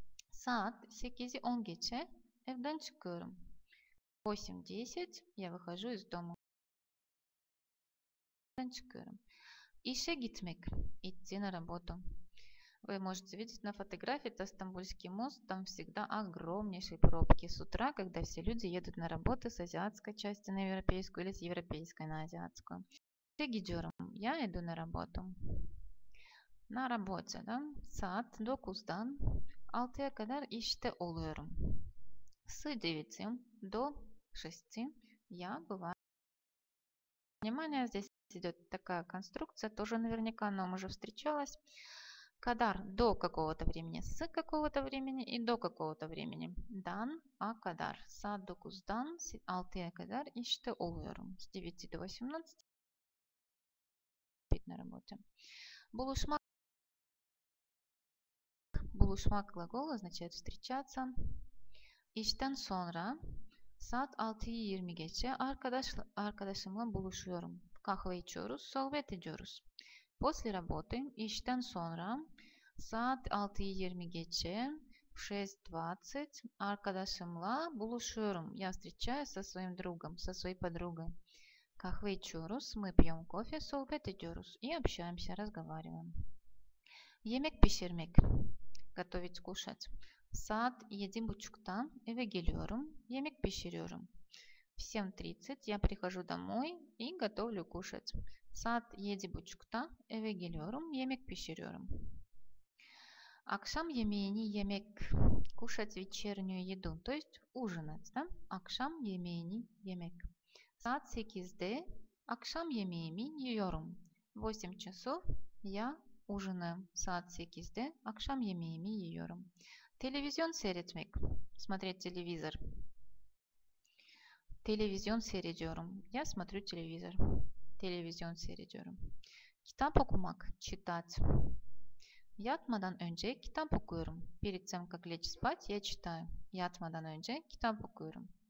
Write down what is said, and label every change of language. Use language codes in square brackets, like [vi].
[tr] Saat 8:10 geçe evden çıkıyorum. [ru] 8:10 я выхожу из дома. [tr] Evden çıkıyorum. İşe gitmek. [ru] İdti na работу. Вы можете видеть на фотографии, это Стамбульский мост, там всегда огромнейшие пробки с утра, когда все люди едут на работу с азиатской части на европейскую или с европейской на азиатскую. [tr] İşe gidiyorum. [ru] Я иду на работу. На работе, да? [tr] Saat 9'dan 6'ya kadar işte oluyorum. [ru] С 9 до 6 я бываю. Внимание, здесь идет такая конструкция, тоже наверняка она уже встречалась. Кадар до какого-то времени, с какого-то времени и до какого-то времени. Дан, а кадар. [tr] Saat 9'dan 6'ya kadar işte oluyorum. [ru] С 9 до 18 на работе. Buluşmak. Buluşmak глагол означает встречаться. [tr] İşten sonra saat 6:20 geçe arkadaşımla buluşuyorum. Kahve içiyoruz, sohbet ediyoruz. [ru] После работы, [tr] işten sonra saat 6:20 geçe 6:20 arkadaşımla buluşuyorum. [ru] Я встречаюсь со своим другом, со своей подругой. [tr] Kahve içiyoruz, [ru] мы пьем кофе, [tr] sohbet ediyoruz. [ru] И общаемся, разговариваем. [tr] Yemek pişirmek. [ru] Готовить, кушать. [tr] Saat 7:30'da eve geliyorum. Yemek pişiriyorum. [ru] В 7:30 я прихожу домой и готовлю кушать. [tr] Saat 7:30'da eve geliyorum. Yemek pişiriyorum. Akşam yemeğini yemek. [ru] Кушать вечернюю еду. То есть ужинать. Да? [tr] Akşam yemeğini yemek. Saat 8'de akşam yemeğimi yiyorum. [ru] 8 часов я ужинаем. [tr] Saat 8'de akşam yemeğimi yiyorum. Televizyon seyretmek. [ru] Смотреть телевизор. [tr] Televizyon seyrediyorum. [ru] Я смотрю телевизор. [tr] Televizyon seyrediyorum. Kitap okumak. [ru] Читать. [tr] Yatmadan önce kitap okuyorum. [ru] Перед тем, как лечь спать, я читаю. [tr] Yatmadan önce kitap okuyorum.